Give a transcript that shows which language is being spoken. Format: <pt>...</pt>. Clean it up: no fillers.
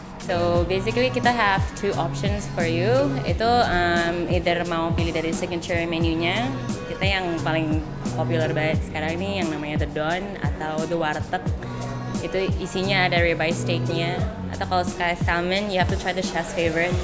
<en>So basically kita have two options for you.</en> <id>Itu either mau pilih dari signature menunya, kita yang paling popular banget sekarang ini yang namanya The Don atau The Warteg. Itu isinya ada ribeye steaknya. Atau kalau</id> <en>sky salmon, you have to try the chef's favorite.</en>